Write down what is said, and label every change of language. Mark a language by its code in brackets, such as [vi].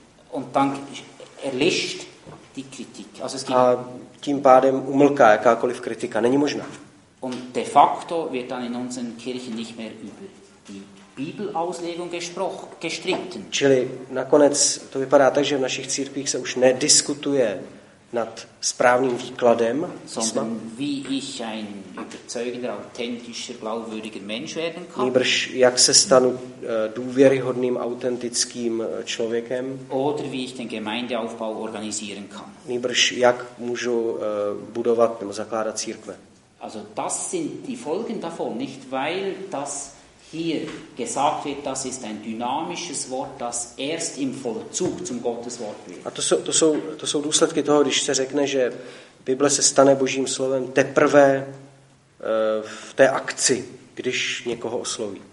[de] Und dann erlischt die Kritik. Also es gibt. [cs] A tím pádem umlká jakákoliv kritika. Není možná. [de] Und de facto wird dann in unseren Kirchen nicht mehr über die Bibelauslegung gestritten. [cs] Čili nakonec to vypadá tak, že v našich církvích se už nediskutuje nad správným výkladem, [de] sondern wie ich ein überzeugender, authentischer, glaubwürdiger Mensch werden kann. [cs] Nýbrž, jak se stanu důvěryhodným, autentickým člověkem. [de] Oder wie ich den Gemeindeaufbau organisieren kann. [cs] Nýbrž, jak můžu budovat nebo zakládat církve. [de] Also das sind die Folgen davon, nicht weil das hier gesagt wird, das ist ein dynamisches Wort, das erst im Vollzug zum Gotteswort wird. [cs] A to jsou důsledky toho, když se řekne, že Bible se stane Božím slovem teprve v té akci, když někoho osloví.